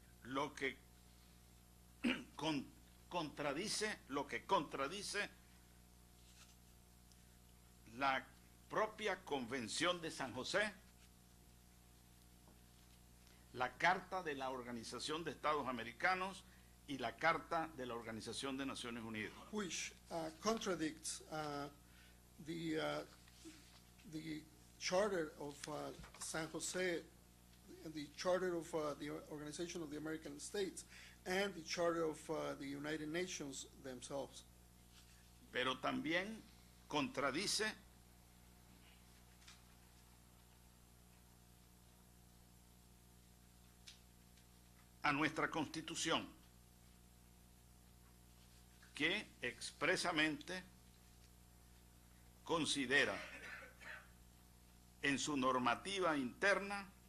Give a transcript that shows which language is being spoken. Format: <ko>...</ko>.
<es>Lo que contradice, lo que contradice la propia Convención de San José, la Carta de la Organización de Estados Americanos y la Carta de la Organización de Naciones Unidas.</es> <en>Which contradicts the Charter of San Jose, the Charter of the Organization of the American States, and the Charter of the United Nations themselves.</en> <es>Pero también contradice a nuestra Constitución, que expresamente considera en su normativa interna</es>